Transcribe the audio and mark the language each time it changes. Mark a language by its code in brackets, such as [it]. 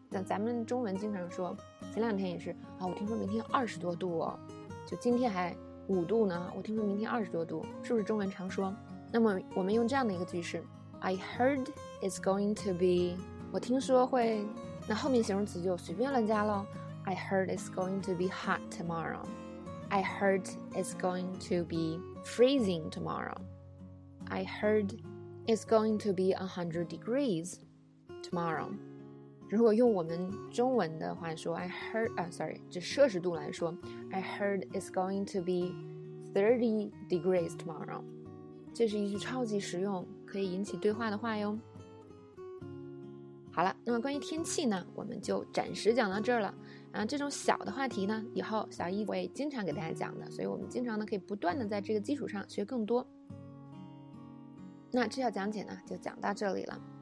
[zh] 那咱们中文经常说，前两天也是啊，我听说明天20多度哦，就今天还5度呢，我听说明天20多度，是不是中文常说？那么我们用这样的一个句式 [en] I heard it's going to be， [zh] 我听说会，那后面形容词就随便乱加了。 [en] I heard it's going to be hot tomorrow， I heard it's going to be freezing tomorrow， I heard it's going to be 100 degrees tomorrow。 [zh] 如果用我们中文的话说 [en] I heard就摄氏度来说， I heard it's going to be 30 degrees tomorrow。 [zh] 这是一句超级实用可以引起对话的话哟。好了，那么关于天气呢我们就暂时讲到这儿了这种小的话题呢以后小一会经常给大家讲的，所以我们经常呢可以不断的在这个基础上学更多。那这条讲解呢就讲到这里了。